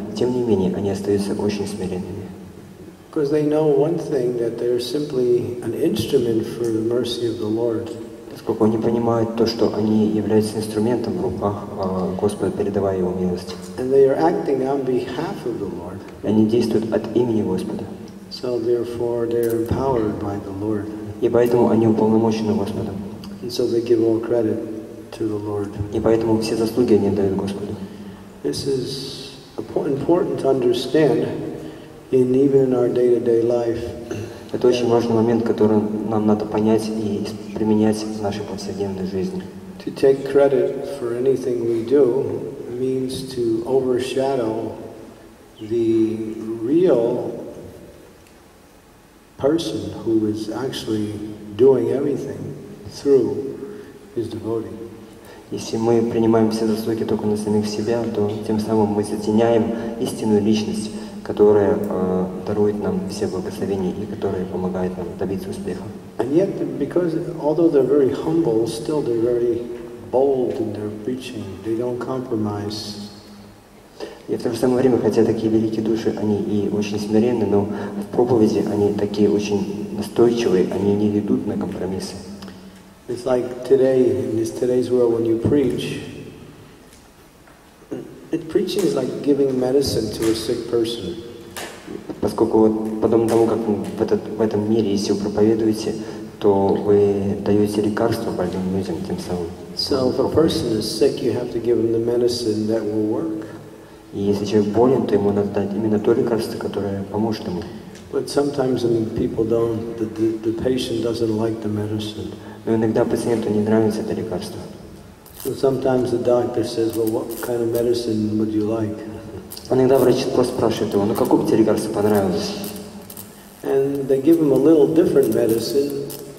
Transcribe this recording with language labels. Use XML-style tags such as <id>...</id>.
<ru>Тем не менее, они остаются очень смиренными.</ru> <en>Because they know one thing, that they are simply an instrument for the mercy of the Lord.</en> <ru>Поскольку они понимают то, что они являются инструментом в руках Господа, передавая Его милость.</ru> <en>And they are acting on behalf of the Lord.</en> <ru>И они действуют от имени Господа.</ru> <en>So therefore they are empowered by the Lord.</en> <ru>И поэтому они уполномочены Господом.</ru> <en>And so they give all credit to the Lord.</en> <ru>И поэтому все заслуги они дают Господу.</ru> <en>This is important to understand in even in our day-to-day life.</en> <ru>Это очень важный момент, который нам надо понять и применять в нашей повседневной жизни.</ru> <en>To take credit for anything we do means to overshadow the real person who is actually doing everything through his devotee.</en> <ru>Если мы принимаем все заслуги только на самих себя, то тем самым мы затеняем истинную личность, которая дарует нам все благословения и которая помогает нам добиться успеха.</ru> <en>And yet, because although they're very humble, still they're very bold in their preaching. They don't compromise.</en> <ru>И в то же самое время, хотя такие великие души, они и очень смиренны, но в проповеди они такие очень настойчивые, они не ведут на компромиссы.</ru> <en>It's like today, in this today's world, when you preach, preaching is like giving medicine to a sick person.</en> <ru>Поскольку подобно тому, как в этом мире, если вы проповедуете, то вы даете лекарство больным людям, тем самым.</ru> <en>So if a person is sick, you have to give him the medicine that will work.</en> <ru>И если человек болен, то ему надо дать именно то лекарство, которое поможет ему.</ru> <en>But sometimes people don't, the patient doesn't like the medicine.</en> <ru>Но иногда пациенту не нравится это лекарство.</ru> <en>So sometimes the doctor says, "Well, what kind of medicine would you like?"</en> <ru>Иногда врач просто спрашивает его, ну какое бы тебе лекарство понравилось?</ru> <en>And they give him a little different medicine.</en>